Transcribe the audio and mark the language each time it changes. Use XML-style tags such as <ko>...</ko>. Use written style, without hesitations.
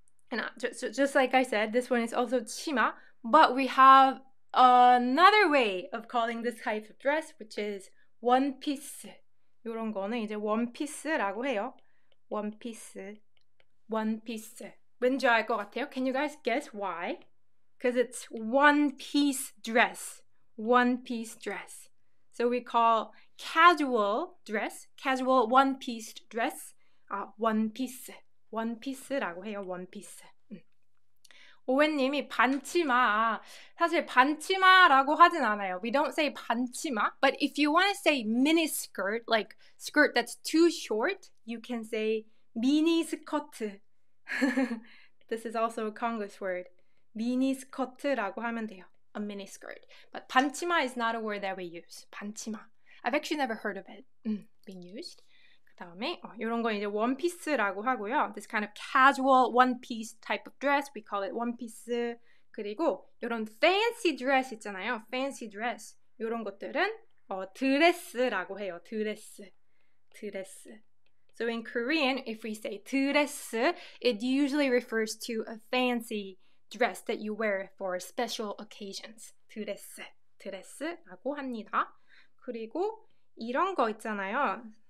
<en>And just like I said, this one is also 치마. But we have another way of calling this type of dress, which is one piece.</en> <ko>요런 거는 이제 원피스라고 해요. 원피스. 원피스. 왠지 알 것 같아요?</ko> <en>Can you guys guess why? Because it's one piece dress. One piece dress. So we call casual dress, casual one piece dress, one piece.</en> <ko>One piece라고 해요, one piece. 오웬님이 반치마. 사실 반치마라고 하진 않아요.</ko> <en>We don't say 반치마. But if you want to say mini skirt, like skirt that's too short, you can say 미니스커트. This is also a Konglish word.</en> <ko>미니스커트라고 하면 돼요.</ko> <en>A miniskirt. But 반치마 is not a word that we use. 반치마. I've actually never heard of it being used.</en> <ko>그 다음에 이런 건 이제 원피스라고 하고요.</ko> <en>This kind of casual one-piece type of dress, we call it one-piece.</en> <ko>그리고 이런 fancy dress 있잖아요. Fancy dress. 이런 것들은 드레스라고 해요. 드레스. 드레스.</ko> <en>So in Korean, if we say 드레스, it usually refers to a fancy dress that you wear for special occasions.</en> <ko>드레스, 드레스라고 합니다. 그리고 이런 거 있잖아요.</ko>